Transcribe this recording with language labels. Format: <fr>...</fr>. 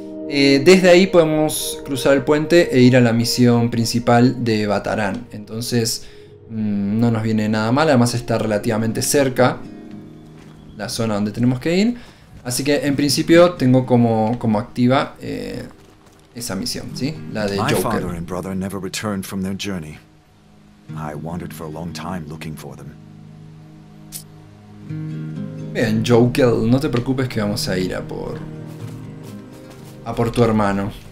<es>Desde ahí podemos cruzar el puente e ir a la misión principal de Bataran. Entonces, no nos viene nada mal, además está relativamente cerca la zona donde tenemos que ir. Así que, en principio, tengo como activa... esa misión, ¿sí? La de Joker.</es> <en>My father and brother never returned from their journey. I wandered for a long time looking for them.</en> <es>Bien, Joker, no te preocupes que vamos a ir a por tu hermano.</es>